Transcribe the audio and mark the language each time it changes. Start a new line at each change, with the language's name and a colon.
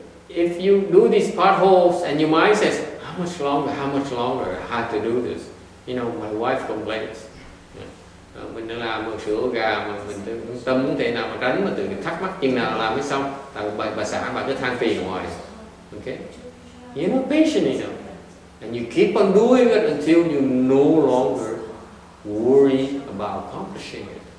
English: If you do these potholes and your mind says, how much longer I have to do this? You know, my wife complains.
Vietnamese: Mình đang làm một sửa gà mà mình tâm thế nào mà tránh mà tự thắc mắc chừng nào làm mới xong. Tại bà xã bà cứ than phiền hoài.
English: Okay? You're not patient enough. And you keep on doing it until you no longer worry about accomplishing it.